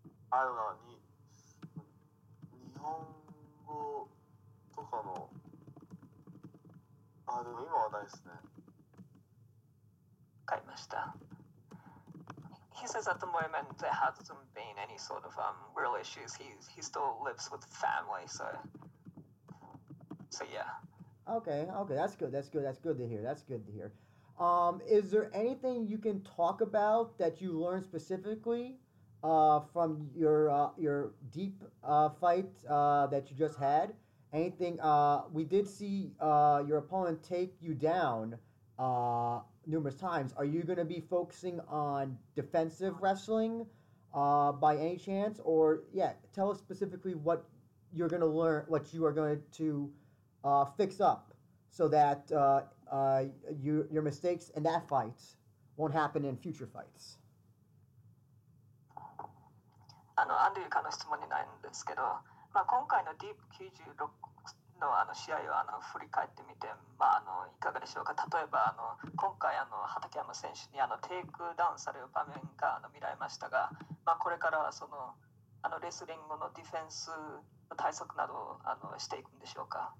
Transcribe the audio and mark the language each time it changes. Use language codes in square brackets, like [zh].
[ja] あるのに日本語とかのでも今はないですね。買いました。 [en] He says at the moment there hasn't been any sort of real issues. He still lives with family, so yeah. Okay, that's good to hear. Is there anything you can talk about that you learned specifically from your deep fight that you just had? Anything? We did see your opponent take you down numerous times. Are you going to be focusing on defensive wrestling by any chance? Or, yeah, tell us specifically what you're going to learn, what you are going to fix up so that your mistakes in that fight won't happen in future fights. [ja] アンドリューからの質問にないんですけど、まあ、今回のディープ96 の, 試合を振り返ってみて、まあ、いかがでしょうか。例えば今回畠山選手にテイクダウンされる場面が見られましたが、まあ、これからはそのレスリングのディフェンス対策などしていくんでしょうか。